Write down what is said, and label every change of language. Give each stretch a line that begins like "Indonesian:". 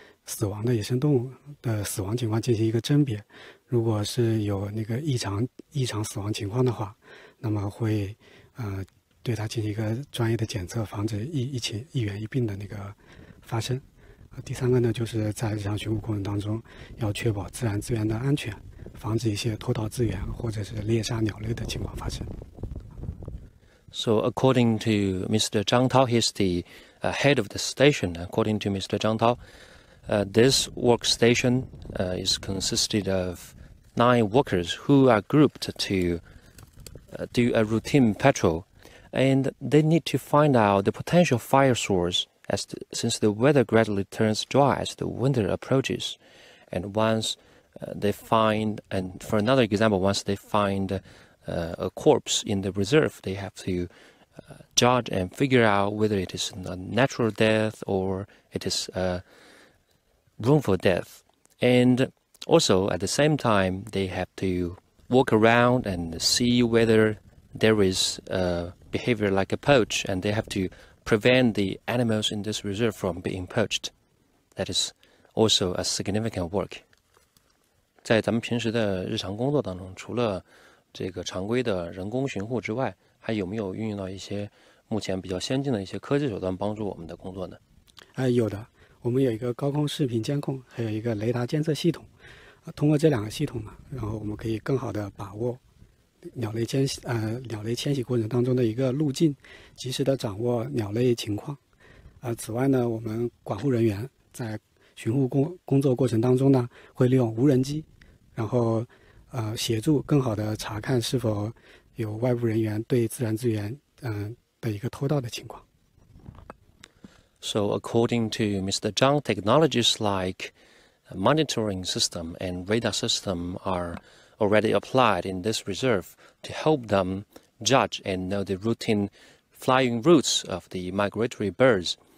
Chinese: 死亡的野生动物的死亡情况进行一个甄别，如果是有那个异常死亡情况的话，那么会对它进行一个专业的检测，防止疫情一源一病的那个发生。第三个呢，就是在日常巡护过程当中要确保自然资源的安全，防止一些偷盗资源或者是猎杀鸟类的情况发生。
English: So according to Mr. Zhang Tao, he's the head of the station. According to Mr. Zhang Tao, this workstation is consisted of 9 workers who are grouped to do a routine patrol. And they need to find out the potential fire source since the weather gradually turns dry as the winter approaches. And once they find, and for another example, once they find a corpse in the reserve, they have to judge and figure out whether it is a natural death or it is a wrongful death. And also at the same time, they have to walk around and see whether there is a behavior like a poach, and they have to prevent the animals in this reserve from being poached. That is also a significant work.
Chinese: 在咱们平时的日常工作当中，除了这个常规的人工巡护之外，还有没有运用到一些目前比较先进的一些科技手段帮助我们的工作呢？有的，我们有一个高空视频监控，还有一个雷达监测系统。通过这两个系统呢，然后我们可以更好的把握鸟类迁徙过程当中的一个路径，及时的掌握鸟类情况。此外呢，我们管护人员在巡护工作过程当中呢，会利用无人机，然后协助更好的查看是否有外部人员对自然资源的一个偷盗的情况。
English: So according to Mr. Zhang, technologies like monitoring system and radar system are already applied in this reserve to help them judge and know the routine flying routes of the migratory birds.